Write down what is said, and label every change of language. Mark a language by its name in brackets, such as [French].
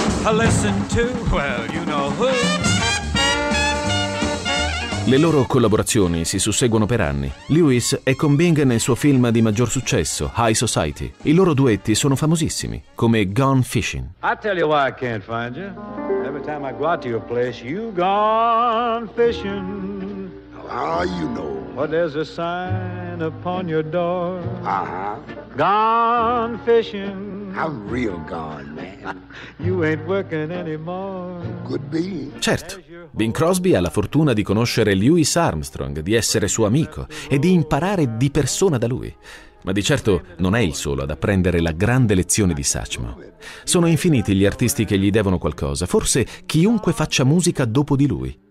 [English] Listen to, well, you know who. [Italian] Le loro collaborazioni si susseguono per anni. Lewis è con Bing nel suo film di maggior successo, High Society. I loro duetti sono famosissimi, come Gone Fishing. [English] I tell you why I can't find you. Every time I go out to your place, you gone fishing. Ah, you know. But there's a sign upon your door. Uh-huh. Gone fishing. I'm real gone, man. You ain't working anymore. Could be. [Italian] Certo. Bing Crosby ha la fortuna di conoscere Louis Armstrong, di essere suo amico e di imparare di persona da lui. Ma di certo non è il solo ad apprendere la grande lezione di Satchmo. Sono infiniti gli artisti che gli devono qualcosa, forse chiunque faccia musica dopo di lui.